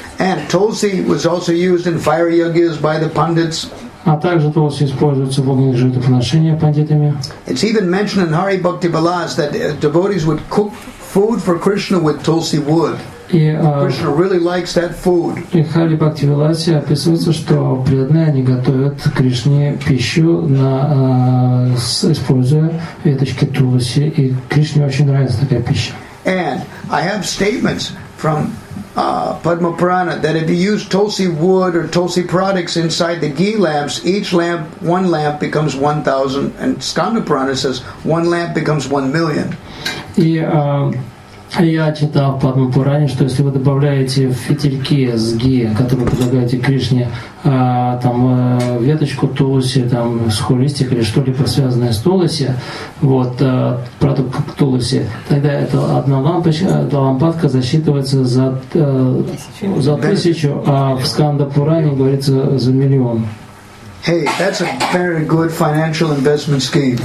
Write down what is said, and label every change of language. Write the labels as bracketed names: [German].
[English] And tulsi was also used in fire yagyas by the pandits. [Russian] А также тулси используется в огненных жертвоприношениях пандитами. [English] It's even mentioned in Hari Bhakti Balas that devotees would cook food for Krishna with tulsi wood. [Russian] И [English] Krishna really likes that food. [Russian] И в Хари Бхакти Виласе описывается, что преданные они готовят Кришне пищу, используя веточки тулси, и Кришне очень нравится такая пища. [English] And I have statements from Padma Purana that if you use tulsi wood or tulsi products inside the ghee lamps, each lamp, one lamp becomes 1,000. And Skanda Purana says one lamp becomes 1,000,000. [Russian] Я читал в Падма Пуране, что если вы добавляете в фитильки с ги, которые предлагаете Кришне, веточку тулоси, схолистик или что-либо связанное с тулоси, вот, продукт тулоси, тогда это одна лампочка, эта лампадка засчитывается за тысячу, а в Сканда Пуране говорится за миллион. [English] Hey, that's a very good financial investment scheme.